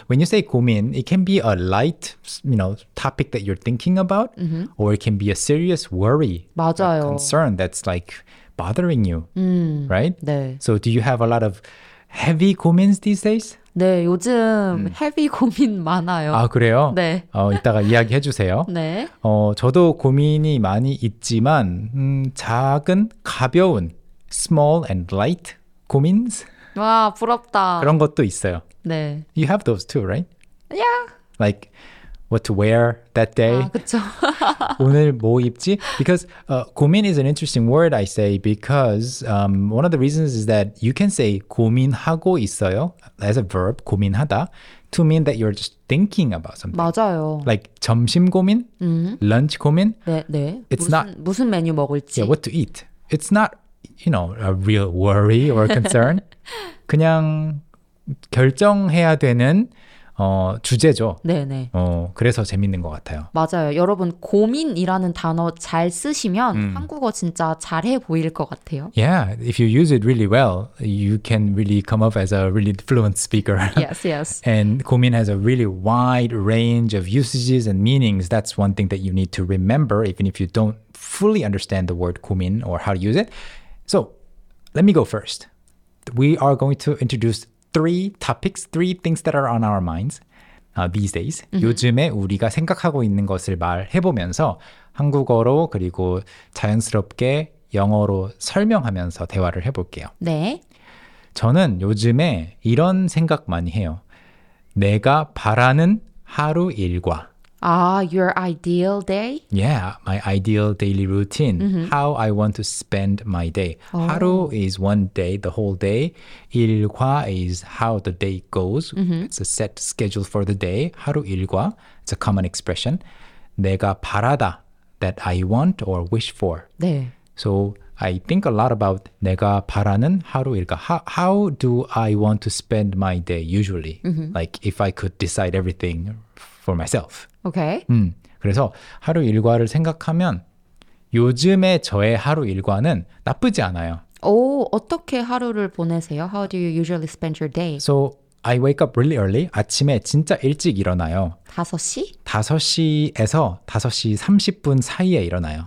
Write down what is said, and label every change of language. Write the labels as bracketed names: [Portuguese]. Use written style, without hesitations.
[English] When you say 고민, it can be a light, you know, topic that you're thinking about, mm-hmm. or it can be a serious worry, [Korean] 맞아요. [English] A concern that's like bothering you, right? [Korean] 네. [English] So do you have a lot of heavy 고민s these days? [Korean] 네, 요즘 헤비 고민 많아요. 아, 그래요? 네. 이따가 이야기해 주세요. 네. 저도 고민이 많이 있지만 작은, 가벼운, [English] small and light [Korean] 고민s? 와, 부럽다. 그런 것도 있어요. 네. [English] You have those too, right? Yeah. Like, what to wear that day? [Korean] 아, 그쵸. 오늘 뭐 입지? [English] Because 고민 is an interesting word, I say, because one of the reasons is that you can say [Korean] 고민하고 있어요 [English] as a verb, 고민하다, to mean that you're just thinking about something. [Korean] 맞아요. [English] Like 점심 고민, lunch 고민. [Korean] 네, 네. [English] It's 무슨, not, [Korean] 무슨 메뉴 먹을지. [English] Yeah, what to eat. It's not, you know, a real worry or concern. [Korean] 그냥 결정해야 되는 주제죠. 네네. 그래서 재밌는 것 같아요. 맞아요. 여러분, 고민이라는 단어 잘 쓰시면 한국어 진짜 잘해 보일 것 같아요. [English] Yeah, if you use it really well, you can really come up as a really fluent speaker. Yes, yes. And 고민 has a really wide range of usages and meanings. That's one thing that you need to remember, even if you don't fully understand the word 고민 or how to use it. So, let me go first. We are going to introduce three topics, three things that are on our minds these days. Mm-hmm. [Korean] 요즘에 우리가 생각하고 있는 것을 말해보면서 한국어로 그리고 자연스럽게 영어로 설명하면서 대화를 해볼게요. 네. 저는 요즘에 이런 생각 많이 해요. 내가 바라는 하루 일과. [English] Your ideal day? Yeah, my ideal daily routine. Mm-hmm. How I want to spend my day. Oh. 하루 is one day, the whole day. 일과 is how the day goes. Mm-hmm. It's a set schedule for the day. 하루 일과, it's a common expression. [Korean] 내가 바라다, [English] that I want or wish for. [Korean] 네. [English] So I think a lot about 내가 바라는 하루 일과. How do I want to spend my day usually? Mm-hmm. Like if I could decide everything for myself. Okay. [Korean] 그래서 하루 일과를 생각하면 요즘에 저의 하루 일과는 나쁘지 않아요. 오, 어떻게 하루를 보내세요? [English] How do you usually spend your day? So, I wake up really early. [Korean] 아침에 진짜 일찍 일어나요. 5시? 5시에서 5시 30분 사이에 일어나요.